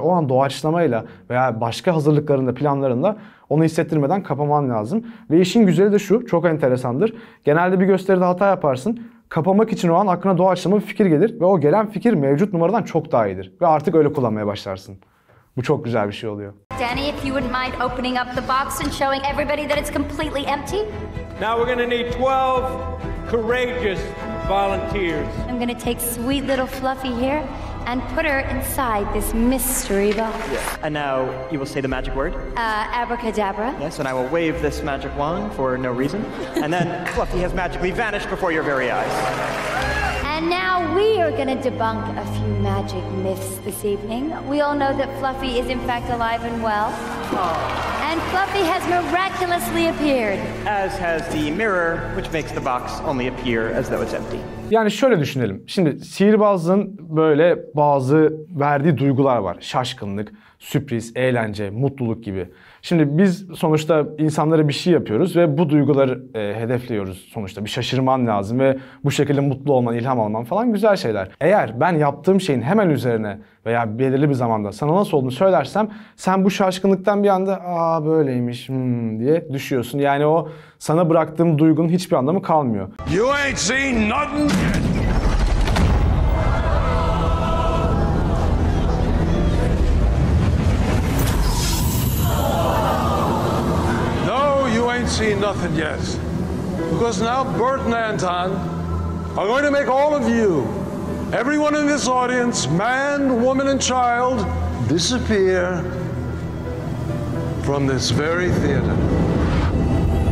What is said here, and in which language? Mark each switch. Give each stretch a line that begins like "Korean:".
Turkish: O an doğaçlamayla veya başka hazırlıklarında, planlarında onu hissettirmeden kapaman lazım. Ve işin güzeli de şu, çok enteresandır. Genelde bir gösteride hata yaparsın. Kapamak için o an aklına doğaçlama bir fikir gelir. Ve o gelen fikir mevcut numaradan çok daha iyidir. Ve artık öyle kullanmaya başlarsın. Bu çok güzel bir şey oluyor.
English: Danny, if you wouldn't mind opening up the box and showing everybody that it's completely empty. Now we're gonna need 12 courageous volunteers. I'm gonna take sweet little Fluffy here and put her inside this mystery box. Yeah. And now you will say the magic word. Abracadabra. Yes, and I will wave this magic wand for no reason. And then Fluffy has magically vanished before your very eyes. And now we are going to debunk a few magic myths this evening. We all know that Fluffy is in fact alive and well. Aww. And Fluffy has miraculously appeared. As has the mirror, which makes the box only appear as though it's empty.
Turkish: Yani şöyle düşünelim. Şimdi sihirbazın böyle bazı verdiği duygular var. Şaşkınlık, sürpriz, eğlence, mutluluk gibi. Şimdi biz sonuçta insanlara bir şey yapıyoruz ve bu duyguları hedefliyoruz sonuçta. Bir şaşırman lazım ve bu şekilde mutlu olman, ilham alman falan güzel şeyler. Eğer ben yaptığım şeyin hemen üzerine veya belirli bir zamanda sana nasıl olduğunu söylersem sen bu şaşkınlıktan bir anda aa böyleymiş diye düşüyorsun. Yani o sana bıraktığım duygunun hiçbir anlamı kalmıyor.
English: You ain't seen nothing yet. Seen nothing yet, because now Bert and Anton are going to make all of you, everyone in this audience, man, woman, and child, disappear from this very theater.